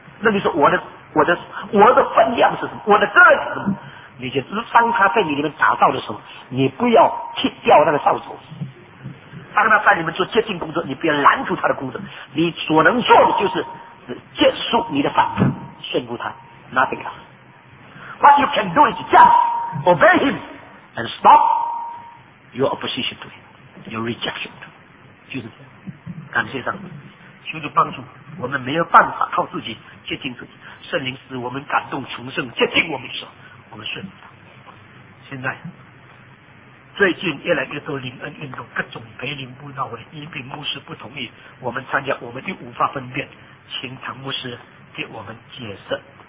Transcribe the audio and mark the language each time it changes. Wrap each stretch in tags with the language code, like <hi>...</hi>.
<zh>那你说我的分量是什么？我的责任是什么？你就当他在你里面打造的时候，你不要踢掉那个扫帚。当他在你们做接近工作，你不要拦住他的工作。你所能做的就是结束你的反抗，顺服他。</zh> <en>Nothing else. What you can do is just obey him and stop your opposition to him, your rejection to him.</en> <zh>就是这样。感谢上帝，求主帮助我们，没有办法靠自己接近自己。圣灵使我们感动重生，接近我们的时候，我们顺服他。现在。最近越来越多灵恩运动，各种培灵布道会，一并牧师不同意，我们参加，我们就无法分辨，请唐牧师给我们解释。</zh>